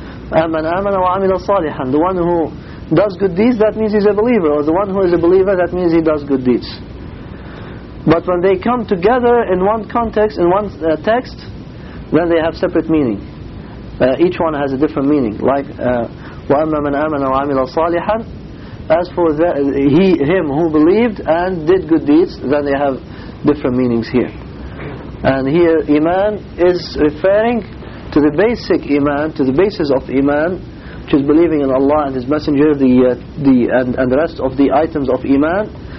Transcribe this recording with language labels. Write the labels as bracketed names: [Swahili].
[Arabic] Aman Amana wa Amila Salihan. [English] The one who does good deeds, that means he's a believer. Or the one who is a believer, that means he does good deeds. But when they come together in one context, in one text, then they have separate meaning. Each one has a different meaning. [Arabic] Like وَأَمَّا مَنْ آمَنَ وَعَمِلَ صَالِحًا. [English] As for him who believed and did good deeds, then they have different meanings here. And here Iman is referring to the basic Iman, to the basis of Iman, which is believing in Allah and His Messenger, and the rest of the items of Iman.